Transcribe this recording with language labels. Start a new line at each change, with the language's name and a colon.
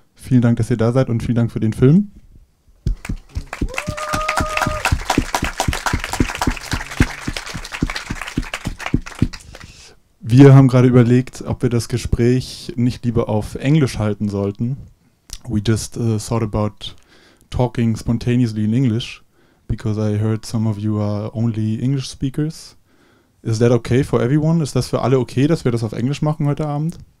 German: Vielen Dank, dass ihr da seid und vielen Dank für den Film. Wir haben gerade überlegt, ob wir das Gespräch nicht lieber auf Englisch halten sollten.
English: We just thought about talking spontaneously in English, because I heard some of you are only English speakers. Is that okay for everyone?
German: Ist das für alle okay, dass wir das auf Englisch machen heute Abend?